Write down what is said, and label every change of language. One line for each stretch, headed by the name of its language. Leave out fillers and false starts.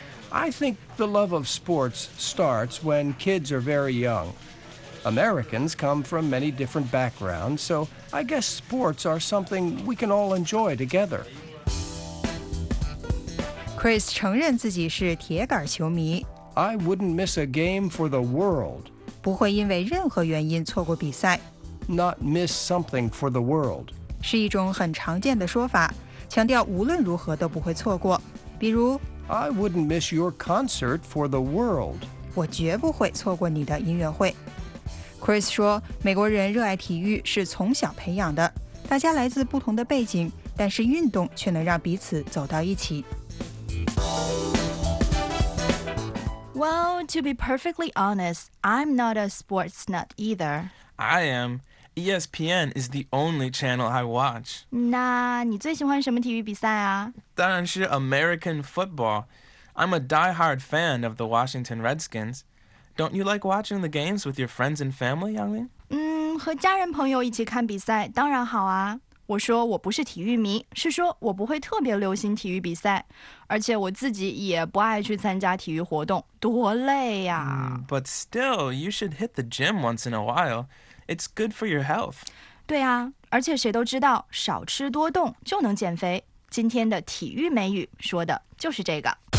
English: I think the love of sports starts when kids are very young. Americans come from many different backgrounds, so I guess sports are something we can all enjoy together.
Chinese: Chris 承认自己是铁杆球迷。
English: I wouldn't miss a game for the world.
Chinese: 不会因为任何原因错过比赛。
English: Not miss something for the world.
Chinese: 是一种很常见的说法，强调无论如何都不会错过。比如
English: I wouldn't miss your concert for the world.
Chinese: 我绝不会错过你的音乐会。Chris 说美国人热爱体育是从小培养的，大家来自不同的背景，但是运动却能让彼此走到一起。
English: Well, to be perfectly honest, I'm not a sports nut either. I am. ESPN is the only channel I watch.
Chinese: 那你最喜欢什么体育比赛啊？当然是 American football.
English: I'm a diehard fan of the Washington Redskins. Don't you like watching the games with your friends and family, Yanglin?
Chinese: 和家人朋友一起看比赛当然好啊。我说我不是体育迷，是说我不会特别留心体育比赛，而且我自己也不爱去参加体育活动，多累呀。
English: But still, you should hit the gym once in a while. It's good for your health.
Chinese: 对啊，而且谁都知道少吃多动就能减肥。今天的体育美语说的就是这个。